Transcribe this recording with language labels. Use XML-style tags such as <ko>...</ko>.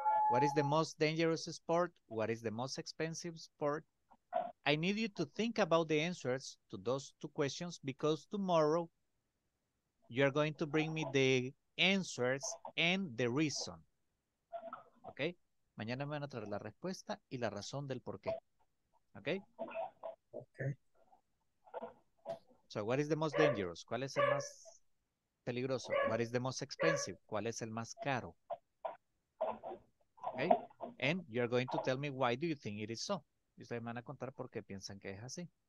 <en>What is the most dangerous sport? What is the most expensive sport? I need you to think about the answers to those two questions, because tomorrow you're going to bring me the answers and the reason. Okay?</en> <es>Mañana me van a traer la respuesta y la razón del por qué.</es> <en>Okay? Okay. So, what is the most dangerous?</en> <es>¿Cuál es el más peligroso?</es> <en>What is the most expensive?</en> <es>¿Cuál es el más caro?</es> <en>Okay? And you're going to tell me why do you think it is so.</en> <es>Y ustedes me van a contar por qué piensan que es así.</es>